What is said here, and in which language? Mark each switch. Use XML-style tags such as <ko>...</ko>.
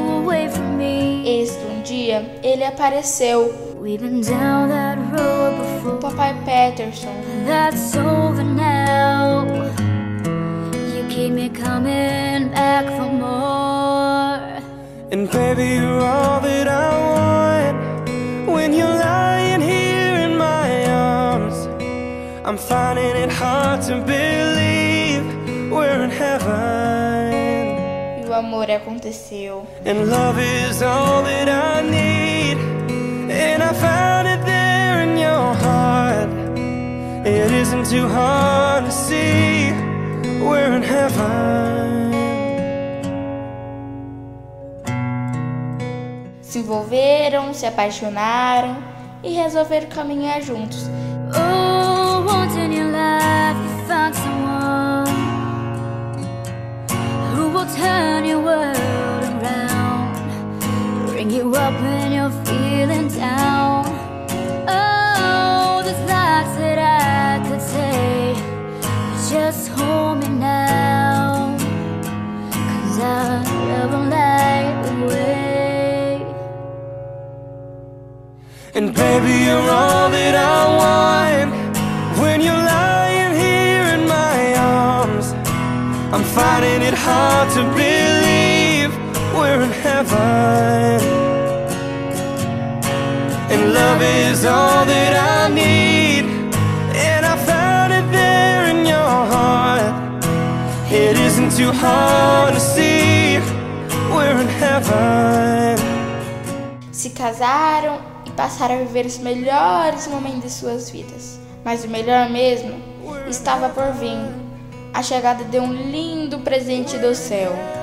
<pt>Eis que um dia ele apareceu.</pt> <en>We've been down that road before.</en> <pt>O papai Peterson.</pt> <en>That's over now. You keep me coming back for more. And baby, you're all that I want. When you're lying here in my arms, I'm finding it hard to believe we're in heaven.</en> <pt>O amor aconteceu.</pt> <en>And love is all that I need. And I found it there in your heart. It isn't too hard to see. We're in heaven.</en> <pt>Se envolveram, se apaixonaram e resolveram caminhar juntos.</pt> <en>Oh, once in your life you found someone. Turn your world around, bring you up when you're feeling down. Oh, there's lots that I could say, just hold me now, 'cause I'll never light away. And baby, you're all that I want. When you're lying here in my arms, I'm finding it hard to believe we're in heaven. And love is all that I need. And I found it there in your heart. It isn't too hard to see we're in heaven.</en> <pt>Se casaram e passaram a viver os melhores momentos de suas vidas. Mas o melhor mesmo estava por vir. A chegada de um lindo presente do céu.</pt>